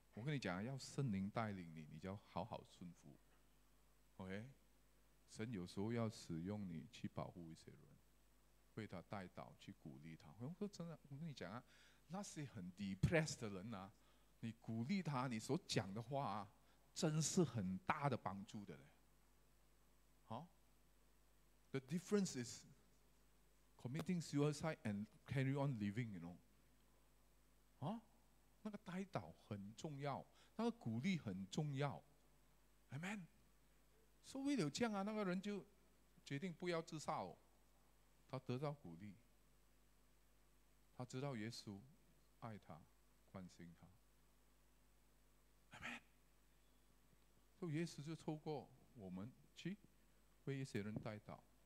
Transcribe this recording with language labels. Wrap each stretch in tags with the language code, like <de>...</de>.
<zh>我跟你讲，要圣灵带领你，你就要好好顺服 ，OK。神有时候要使用你去保护一些人，为他带祷，去鼓励他。我说真的，我跟你讲啊，那些很 depressed 的人啊，你鼓励他，你所讲的话啊，真是很大的帮助的嘞。</zh> <en>好 ，The difference is committing suicide and carry on living， you know？ 啊，</en> <zh>那个带祷很重要，那个鼓励很重要</zh> <en>，Amen。</en> <zh>所以为了这样啊，那个人就决定不要自杀哦。他得到鼓励，他知道耶稣爱他，关心他。 Amen。所以耶稣就透过我们去为一些人带祷。</zh>